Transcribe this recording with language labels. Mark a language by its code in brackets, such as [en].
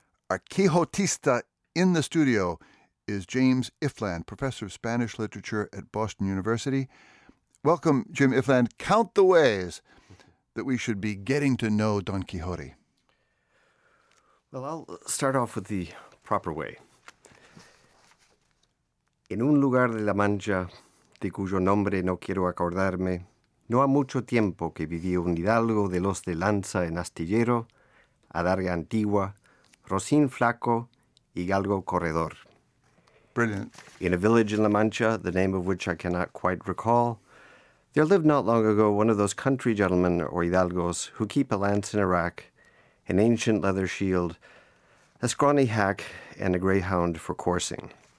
[en] Our Quixotista in the studio is James Ifland, professor of Spanish literature at Boston University. Welcome, Jim Ifland. Count the ways that we should be getting to know Don Quixote. Well, I'll start off with the proper way. [es] En un lugar de la Mancha, de cuyo nombre no quiero acordarme, no ha mucho tiempo que vivía un hidalgo de los de lanza en astillero, adarga antigua, rocín flaco y galgo corredor. [en] Brilliant. In a village in La Mancha, the name of which I cannot quite recall, there lived not long ago one of those country gentlemen or hidalgos who keep a lance in a rack, an ancient leather shield, a scrawny hack, and a greyhound for coursing.